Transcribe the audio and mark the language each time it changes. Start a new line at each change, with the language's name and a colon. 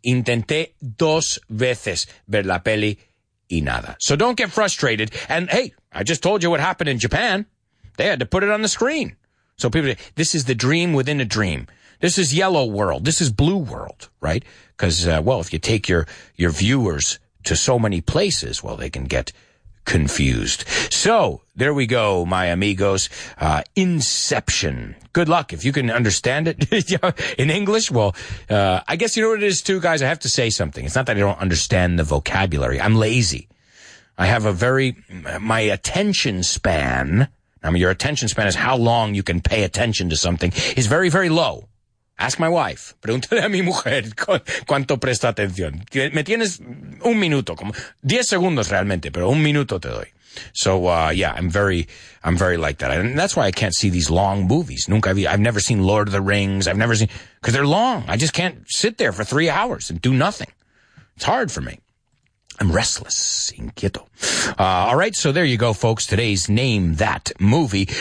Spanish: Intenté dos veces ver la peli y nada.
English: So don't get frustrated. And hey, I just told you what happened in Japan. They had to put it on the screen. So people say, this is the dream within a dream. This is yellow world. This is blue world, right? Because, if you take your viewers to so many places, well, they can get confused. So there we go, my amigos. Inception. Good luck if you can understand it in English. Well, I guess you know what it is too, guys. I have to say something. It's not that I don't understand the vocabulary. I'm lazy. I have my attention span. I mean, your attention span is how long you can pay attention to something is very, very low. Ask my wife.
Spanish: Pregúntale a mi mujer cuánto presta atención. Me tienes un minuto, como 10 segundos realmente, pero un minuto te doy.
English: So, I'm very like that. And that's why I can't see these long movies. I've never seen Lord of the Rings. I've never seen, because they're long. I just can't sit there for 3 hours and do nothing. It's hard for me. I'm restless, inquieto. All right, so there you go, folks. Today's Name That Movie.